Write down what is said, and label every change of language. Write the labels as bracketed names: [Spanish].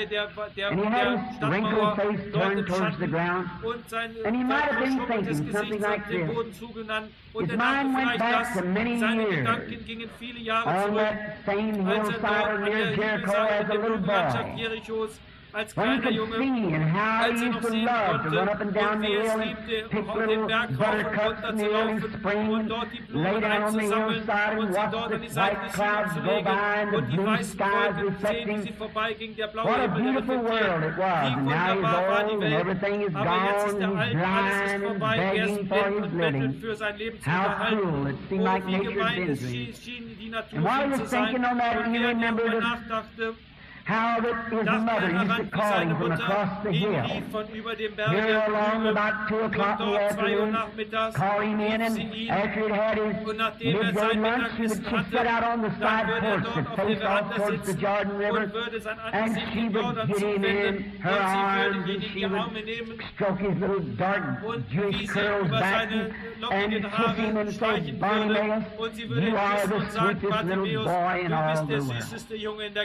[English] And he had his wrinkled face turned towards the ground. And he might have been thinking something like this. His mind went back to many years on that same hillside near Jericho as a little boy. [German] Als kleiner Junge, als er noch sehen konnte, und wie es liebte, auf den Berg rauf und runter zu laufen und dort die Blumen einzusammeln und sie dort an die Seite des Himmels zu legen und die weißen Wolken zu sehen, wie sie vorbeiging, der blaue Himmel der reflektiert. Wie wunderbar war die Welt, aber jetzt ist der Alte, alles ist vorbei, er ist blind und bettelt für sein Leben zu erhalten. Oh, wie gemein es schien, die Natur hin zu sein, und er darüber nachdachte, [English] how that his [German] das [English] mother used to call him from across the hill. Here along about 2 o'clock in the afternoon, calling in and after he'd had his midday lunch, he would [German] hatte, [English] sit out on the side porch to face off towards the Jordan River, and she would get him in her arms, and she would stroke his little dark Jewish curls back and kiss him and say, Bonnie Mayus, you are the sweetest little boy in all the world.